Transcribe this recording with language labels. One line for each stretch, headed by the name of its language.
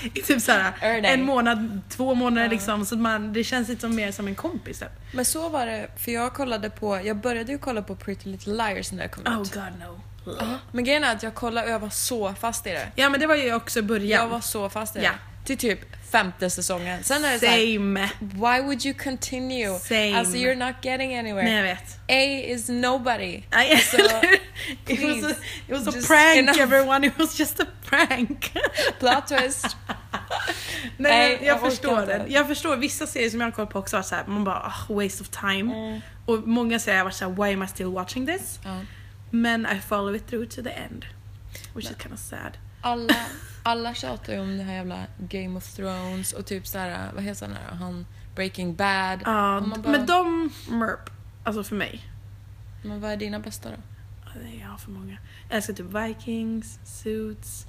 Swedish: I typ såhär en månad, 2 månader liksom. Så att man, det känns lite mer som en kompis. Typ. Men så var det, för jag kollade på, jag började ju kolla på Pretty Little Liars när jag kom
English: ut. Oh god no.
Swedish: Men grejen är att jag kollade och jag var så fast i det. Ja, men det var ju också början. Jag var så fast i det. Yeah. Till typ 5:e säsongen. Sen är det
English: same. Såhär, why would you continue? Same. Alltså, you're not getting anywhere.
Swedish: Nej, jag vet.
English: A is nobody. I, so, please, it was a prank, enough. Everyone. It was just a prank. Plot twist.
Swedish: Nej, jag förstår det. Jag förstår, vissa serier som jag har kollat på också var såhär, man bara,
English: oh, waste of time.
Swedish: Mm. Och många säger, jag var såhär,
English: why am I still watching this? Men I follow it through to the end. Which is kind of sad.
Swedish: Alla tjatar ju om det här jävla Game of Thrones och typ så här, vad heter han där? Han Breaking Bad. Ja, men de merp. Alltså för mig. Men vad är dina bästa då? Jag har för många. Jag älskar typ Vikings, Suits.